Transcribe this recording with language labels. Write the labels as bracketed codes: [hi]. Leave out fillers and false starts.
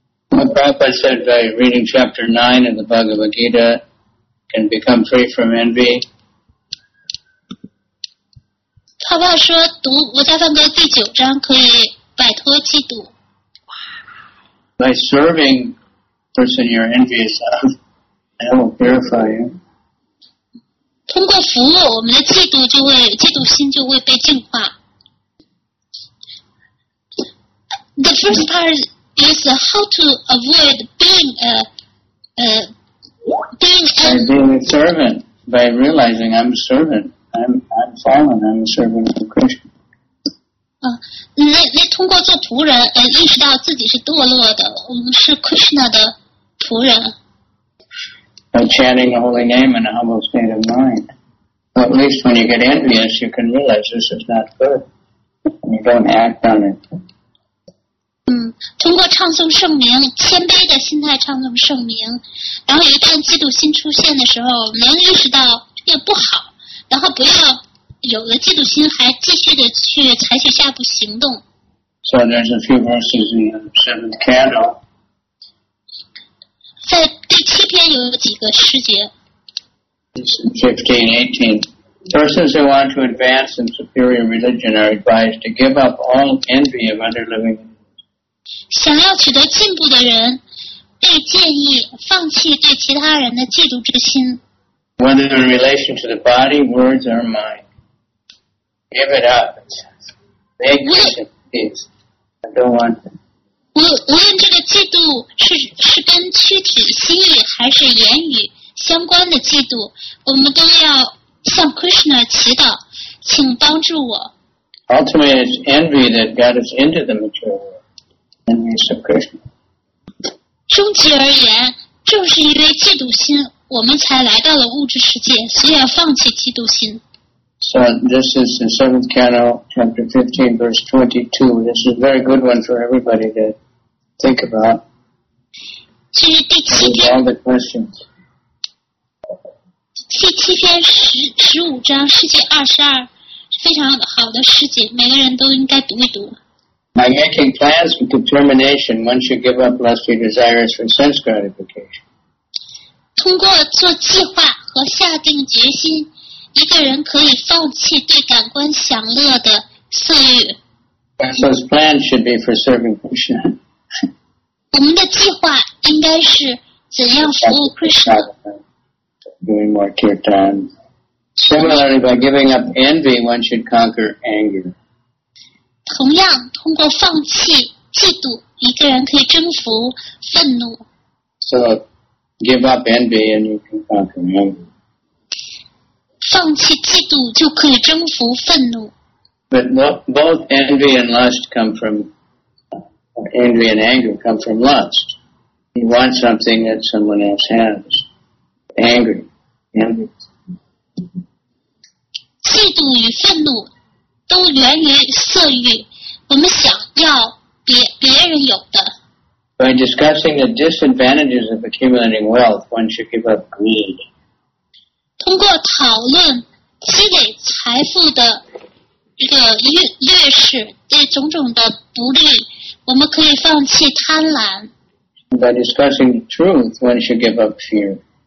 [en] The Prabhupada said by reading chapter 9 in the Bhagavad Gita can become free from envy. [zh] Prabhupada 说读五大梵歌第九章可以摆脱嫉妒。 [en] By serving the person you're envious of, that will purify you. [zh] 通过服务我们的嫉妒就会嫉妒心就会被净化。 [en] The first part is how to avoid being a servant by realizing I'm a servant. I'm fallen. I'm a servant of Krishna. [zh] 你通过做仆人，意识到自己是堕落的，我们是 Krishna 的仆人。 [en] By chanting the holy name in a humble state of mind, at least when you get envious, you can realize this is not good, and you don't act on it. [zh] 通过唱诵圣名，谦卑的心态唱诵圣名，然后一旦嫉妒心出现的时候，能意识到这个不好，然后不要有了嫉妒心还继续的去采取下一步行动。 [en] So there's a few verses in the seventh canto. [zh] 在第七篇有几个诗节。 [en] 15-18. Persons who want to advance in superior religion are advised to give up all envy of underliving. [zh] 想要取得进步的人被建议放弃对其他人的嫉妒之心。 [en] Whether in relation to the body, words, or mind, give it up. Make peace. I don't want it. [zh] 无论这个嫉妒 是跟躯体、心意还是言语相关的嫉妒，我们都要向 Krishna 祈祷，请帮助我。 [en] Ultimately, it's envy that got us into the material world. [zh] 终极而言，正是因为嫉妒心，我们才来到了物质世界，所以要放弃嫉妒心。 [en] So this is the seventh canto, chapter 15, verse 22. This is a very good one for everybody to think about. [zh] 这是第七篇。 [en] All the questions. [zh] 第七篇十五章，世界二十二，非常好的世界，每个人都应该读一读。 [en] By making plans with determination, one should give up lusty desires for sense gratification. [zh] 通过做计划和下定决心，一个人可以放弃对感官享乐的色欲。 [en] Those plans should be for serving Krishna. [zh] 我们的计划应该是怎样服务 Krishna. [en] Doing more kirtan. Similarly, by giving up envy, one should conquer anger. [zh] 同样，通过放弃嫉妒，一个人可以征服愤怒。 [en] So, give up envy and you can conquer anger. [zh] 放弃嫉妒就可以征服愤怒。 [en] But both envy and lust come from, envy and anger come from lust. You want something that someone else has. Angry, envy. [zh] 嫉妒与愤怒都源于色欲。我们想要 别人有的。 [en] By discussing the disadvantages of accumulating wealth, one should give up greed. [zh] 通过讨论积累财富的这个劣势，对种种的不利，我们可以放弃贪婪。 [en] By discussing the truth, one should give up fear.